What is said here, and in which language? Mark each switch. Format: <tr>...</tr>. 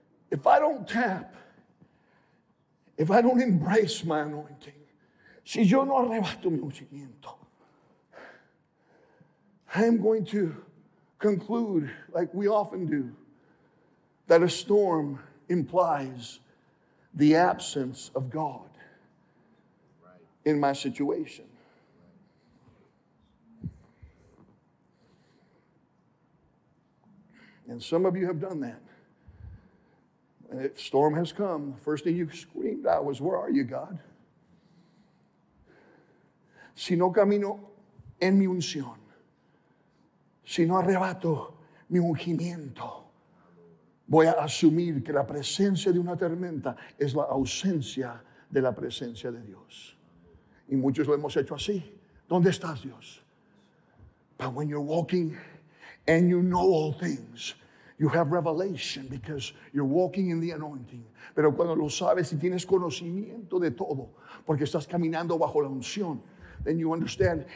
<en>If I don't tap, if I don't embrace my anointing,</en> <es>si yo no arrebato mi ungimiento,</es> <en>I am going to conclude, like we often do, that a storm implies the absence of God in my situation. And some of you have done that. And a storm has come. The first thing you screamed out was, where are you, God?</en> <es>Si no camino en mi unción, si no arrebato mi ungimiento, voy a asumir que la presencia de una tormenta es la ausencia de la presencia de Dios. Y muchos lo hemos hecho así. ¿Dónde estás, Dios?</es> <en>But when you're walking and you know all things, you have revelation because you're walking in the anointing.</en> <es>Pero cuando lo sabes y tienes conocimiento de todo, porque estás caminando bajo la unción,</es> <en>then you understand.</en>